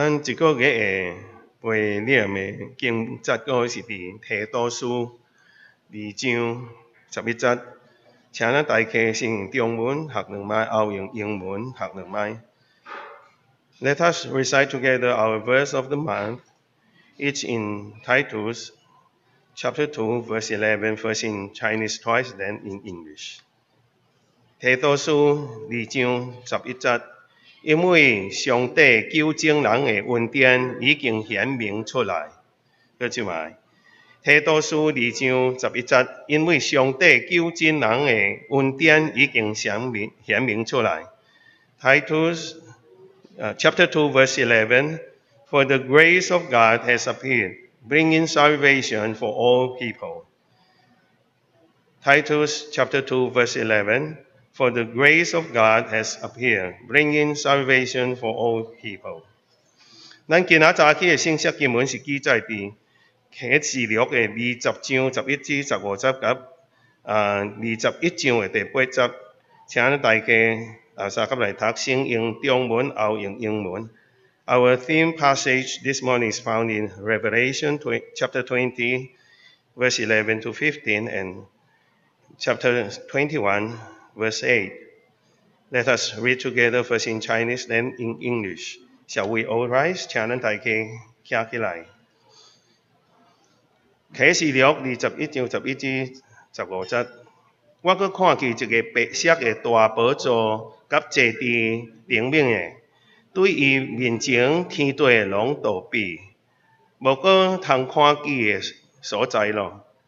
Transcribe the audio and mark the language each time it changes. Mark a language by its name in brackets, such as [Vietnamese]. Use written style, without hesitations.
[Min Nan Chinese] 一个月的背念的经节，个是伫提多书二章十一节，请咱大家先中文学两摆，后用英文学两摆。 [English] Let us recite together our verse of the month. It's in Titus chapter 2, verse 11, first in Chinese twice, then in English. [Min Nan Chinese] 提多书二章十一节，因为上帝救拯人的恩典已经显明出来。搁一摆，提多书二章十一节，因为上帝救拯人的恩典已经显明出来。 [English] Titus chapter 2, verse 11, For the grace of God has appeared, bringing salvation for all people. Titus chapter 2, verse 11, For the grace of God has appeared, bringing salvation for all people. [Min Nan Chinese] 咱今仔早起的信息经文是记载伫启示录的二十章十一至十五节，甲二十一章的第八节，请大家 [English] Our theme passage this morning is found in Revelation chapter 20, verse 11 to 15, and chapter 21, verse 8. Let us read together first in Chinese, then in English. Shall we all rise? [Min Nan Chinese] 请咱大家站起来。启示录二十一章十一至十五节，我搁看见一个白色的大宝座，甲坐伫顶面诶，对伊面前天地拢躲避，无搁通看见诶所在咯。